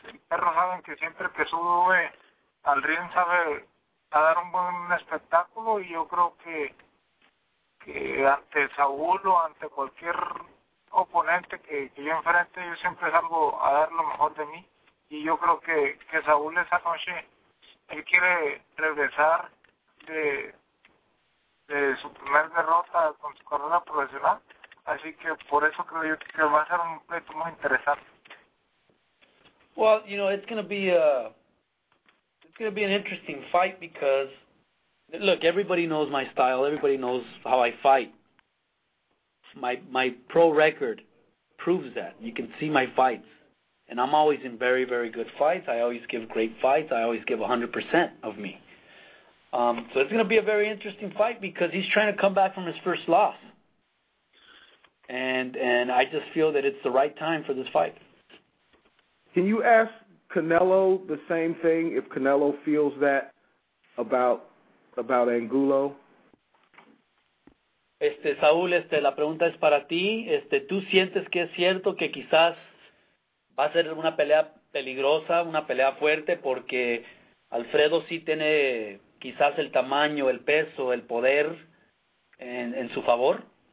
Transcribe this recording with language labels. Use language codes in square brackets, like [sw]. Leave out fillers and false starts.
[es] El perro sabe que siempre que sube al ring sabe a dar un buen espectáculo, y yo creo que ante Saúl o ante cualquier oponente que yo enfrente, yo siempre salgo a dar lo mejor de mí. Y yo creo que Saúl esa noche, él quiere regresar de su primer derrota con su carrera profesional. Así que por eso creo yo que va a ser un pleito muy interesante. [en] Well, you know, it's gonna be an interesting fight because, look, everybody knows my style. Everybody knows how I fight. My pro record proves that. You can see my fights. And I'm always in very, very good fights. I always give great fights. I always give 100% of me. So it's going to be a very interesting fight because he's trying to come back from his first loss. And I just feel that it's the right time for this fight. Can you ask Canelo the same thing, if Canelo feels that about Angulo? [es] Saúl, la pregunta es para ti. ¿Tú sientes que es cierto que quizás va a ser una pelea peligrosa, una pelea fuerte, porque Alfredo sí tiene quizás el tamaño, el peso, el poder en su favor?